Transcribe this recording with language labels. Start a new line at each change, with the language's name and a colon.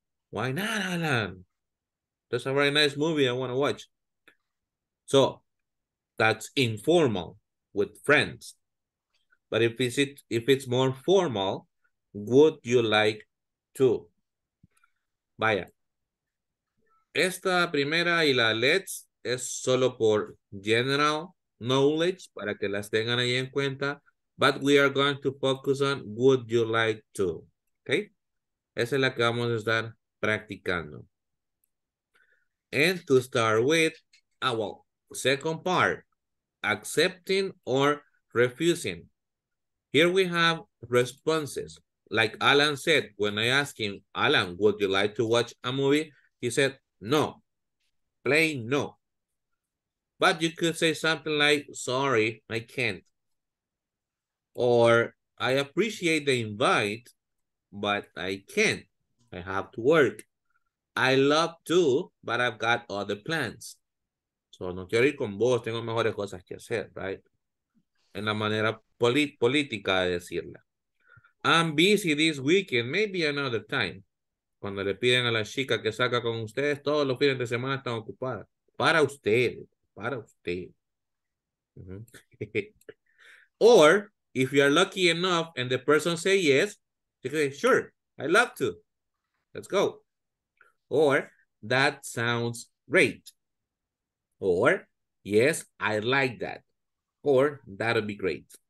English: Why not, Alan? That's a very nice movie I want to watch. So, that's informal with friends. But if it's more formal, would you like to?
Spanish: Vaya. Esta primera y la let's es solo por
English: general knowledge
Spanish: para que las tengan ahí en cuenta. But we are going to focus on would you like to. Okay? Esa es la que vamos a estar practicando.
English: And to start with, well, second part, accepting or refusing. Here we have responses. Like Alan said, when I asked him, Alan, would you like to watch a movie? He said, no, plain no. But you could say something like, sorry, I can't. Or, I appreciate the invite, but I can't. I have to work. I love to, but I've got other plans.
Spanish: So, no quiero ir con vos, tengo mejores cosas que hacer, right? En la manera política de decirla.
English: I'm busy this weekend, maybe another time.
Spanish: Cuando le piden a la chica que saca con ustedes, todos los fines de semana están ocupadas. Para usted, para usted. Mm-hmm.
English: Or, if you are lucky enough and the person says yes, you say, sure, I'd love to. Let's go. Or, that sounds great. Or, yes, I like that. Or, that'll be great.